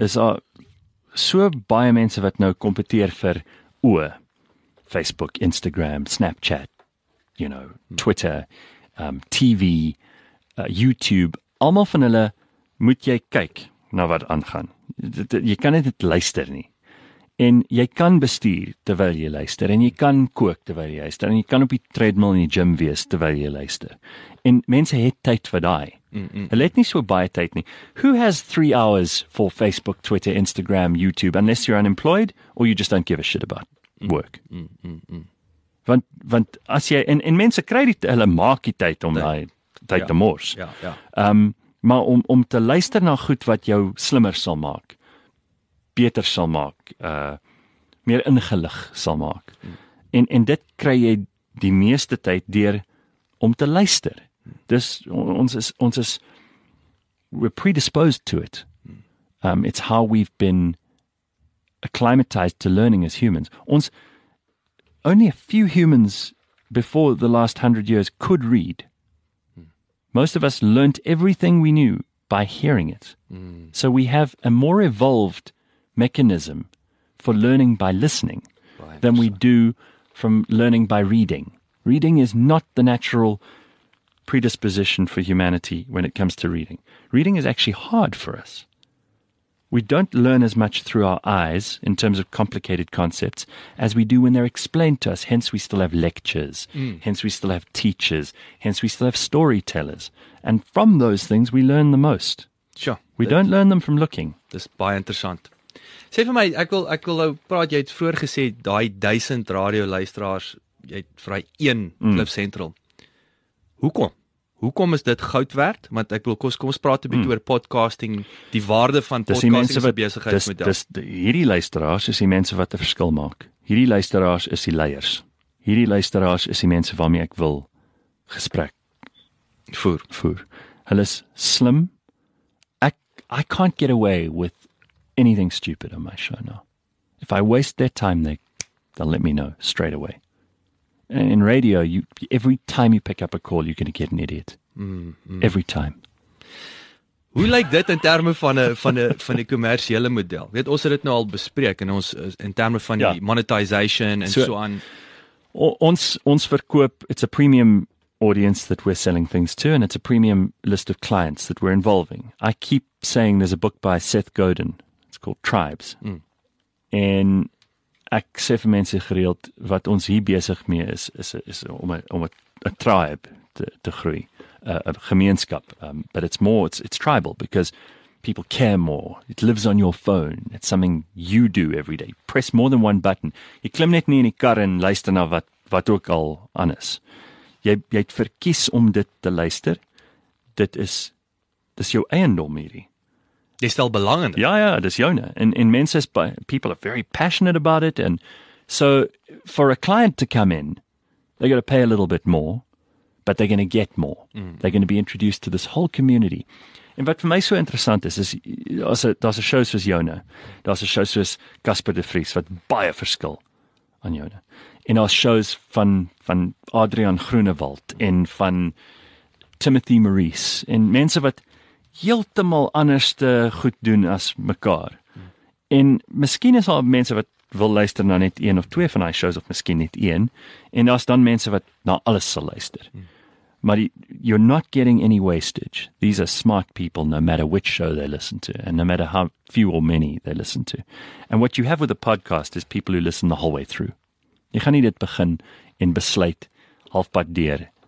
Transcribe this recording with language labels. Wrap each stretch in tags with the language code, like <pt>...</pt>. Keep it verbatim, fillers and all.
<af>Is daar so baie mense wat nou kompeteer vir oë, Facebook, Instagram, Snapchat,</af> <en>you know,</en> <af>Twitter, um, T V, uh, YouTube, almal van hulle moet jy kyk na wat aangaan. Jy kan net dit luister nie. En jy kan bestuur terwyl jy luister, en jy kan kook terwyl jy luister, en jy kan op die treadmill in die gym wees terwyl jy luister. En mense het tyd vir daai. Hulle het nie so baie tyd nie.</af> <en>Who has three hours for Facebook, Twitter, Instagram, YouTube, unless you're unemployed, or you just don't give a shit about work? Mm, mm, mm.</en> <af>Want, want as jy, en, en mense kry die, hulle maak die tyd om daai tyd ja, te mors. Ja, ja. Um, maar om, om te luister na goed wat jou slimmer sal maak, beter sal maak, uh, meer ingelig sal maak. Mm. En, en dit kry jy die meeste tyd deur om te luister. Dis, ons is, ons is,</af> <en>we're predisposed to it. Um, it's how we've been acclimatized to learning as humans. Ons, only a few humans before the last hundred years could read. Most of us learnt everything we knew by hearing it. Mm. So we have a more evolved mechanism for learning by listening right, than we do from learning by reading. Reading is not the natural predisposition for humanity when it comes to reading. Reading is actually hard for us. We don't learn as much through our eyes in terms of complicated concepts as we do when they're explained to us. Hence we still have lectures, mm. hence we still have teachers, hence we still have storytellers. And from those things we learn the most. Sure. We don't learn them from looking.</en> <af>Dis baie interessant. Sê vir my, ek wil ek wil nou praat, jy het vroeër gesê daai duisend radio luisteraars, jy het vir daai een mm. Klif Central. Hoekom? Hoekom is dit goud werd? Want ek wil kos kom ons praat 'n bietjie mm. oor podcasting, die waarde van podcasting se besigheidsmodel. Dis dis hierdie luisteraars is die mense wat 'n verskil maak. Hierdie luisteraars is die leiers. Hierdie luisteraars is die mense waarmee ek wil gesprek voer. voer. Hulle is slim. Ek</af> <en>I can't get away with anything stupid on my show now. If I waste their time, they, they'll let me know straight away. And in radio, you every time you pick up a call, you're going to get an idiot. Mm, mm. Every time.</en> <af>Hoe lyk dit in terme van 'n van 'n van die kommersiële model? Weet ons het dit nou al bespreek en ons in terme van die ja. monetization en so aan. So ons ons verkoop,</af> <en>it's a premium audience that we're selling things to, and it's a premium list of clients that we're involving. I keep saying there's a book by Seth Godin. It's called Tribes. Mm.</en> <af>En ek sê vir mense gereeld wat ons hier besig mee is is is om a, om 'n tribe te te groei, 'n gemeenskap.</af> <en>Um, but it's more it's it's tribal because people care more. It lives on your phone. It's something you do every day. Press more than one button.</en> <af>Jy klim net nie in die kar en luister na wat wat ook al anders. Jy jy het verkies om dit te luister. Dit is dis jou eiendom hierdie. Jy stel belang in dit. Ja ja, dis joune. En en mense is by</af> <en>people are very passionate about it, and so for a client to come in, they're going to pay a little bit more, but they're going to get more. Mm. They're going to be introduced to this whole community.</en> <af>En wat vir my so interessant is is daar's 'n daar's 'n show soos Joune. Daar's 'n show soos Casper de Vries wat baie verskil aan Joune. En daar's shows van van Adrian Groenewald en van Timothy Maurice en mense wat heeltemal anders te goed doen as mekaar. En miskien is daar mense wat wil luister na net een of twee van daai shows, of miskien net een, en daar's dan mense wat na alles sal luister. Maar die,</af> <en>you're not getting any wastage. These are smart people no matter which show they listen to, and no matter how few or many they listen to. And what you have with a podcast is people who listen the whole way through.</en> <af>Jy gaan nie dit begin en besluit halfpad deur.</af>